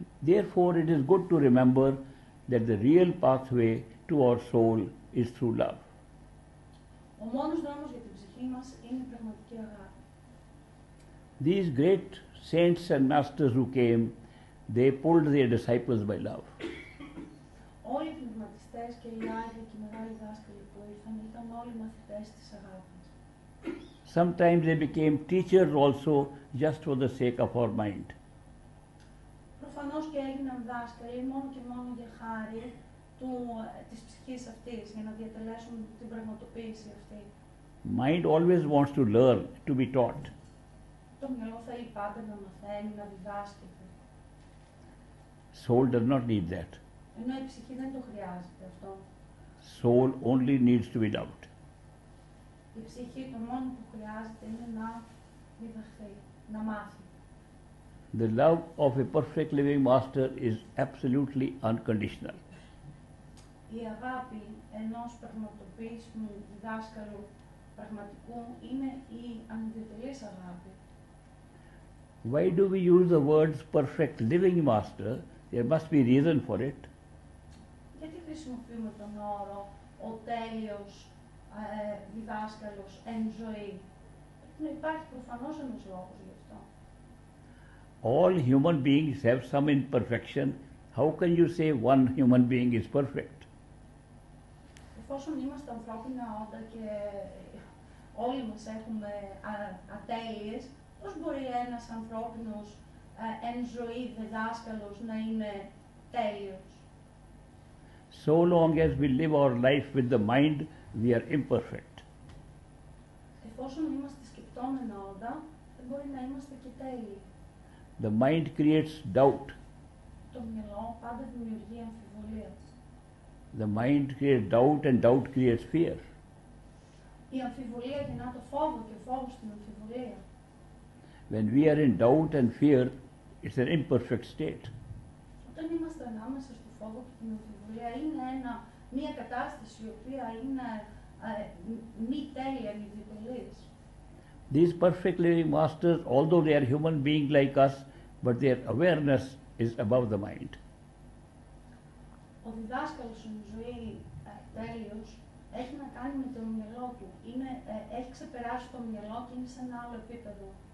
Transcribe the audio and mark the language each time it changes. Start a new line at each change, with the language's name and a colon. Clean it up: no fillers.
English: Therefore, it is good to remember that the real pathway to our soul is through love.
Greek: Ο μόνος δρόμος για την ψυχή μας είναι η πραγματική αγάπη.
English: These great saints and masters who came, they pulled their disciples by love.
Greek: Όλοι οι πνευματιστές και οι άγιοι και οι μεγάλοι δάσκαλοι που ήρθαν ήταν όλοι μαθητές της αγάπης.
English: Sometimes they became teachers also just for the sake of our mind.
Greek: Προφανώς και έγιναν δάσκαλοι μόνο και μόνο για χάρη της ψυχής αυτής, για να διατελέσουν την πραγματοποίηση αυτή.
English: Mind always wants to learn, to be taught.
Greek: Το μυαλό θέλει πάντα να μαθαίνει, να διδάσκεται.
English: Soul does not need that.
Greek: Ενώ η ψυχή δεν το χρειάζεται αυτό.
English: Soul only needs to be loved.
Greek: Η ψυχή το μόνο που χρειάζεται είναι να διδαχθεί, να μάθει.
English: The love of a perfect living master is absolutely unconditional.
Greek: Η αγάπη ενός πραγματοποιήσιμου διδάσκαλου πραγματικού είναι η ανιδιοτελής αγάπη.
English: Why do we use the words perfect living master? There must be reason for it.
Greek: Γιατί χρησιμοποιούμε τον όρο ο τέλειος διδάσκαλος εν ζωή? Πρέπει να υπάρχει προφανώς ένας λόγος γι' αυτό.
English: All human beings have some imperfection. How can you say one human being is perfect?
Greek: Εφόσον είμαστε ανθρώπινα όντα και όλοι μας έχουμε ατέλειες, πώς μπορεί ένας ανθρώπινος εν ζωή διδάσκαλος να είναι τέλειος?
English: So long as we live our life with the mind, we are imperfect.
Greek: Εφόσον είμαστε σκεπτόμενα όντα, δεν μπορεί να είμαστε και τέλειοι.
English: The mind creates doubt.
Greek: Το μυαλό πάντα δημιουργεί αμφιβολία.
English: The mind creates doubt and doubt creates fear.
Greek: Η αμφιβολία γεννά το φόβο και φόβο στην αμφιβολία.
English: When we are in doubt and fear, it's an imperfect state.
Greek: Όταν είμαστε ανάμεσα στο φόβο και την αμφιβολία, είναι μια κατάσταση η οποία είναι μη τέλεια, μη διτελής.
English: These perfect living masters, although they are human beings like us, but their awareness is above the mind.
Greek: Ο διδάσκαλος στην ζωή τέλειος έχει να κάνει με το μυαλό του. Έχει ξεπεράσει το μυαλό και είναι σε ένα άλλο επίπεδο.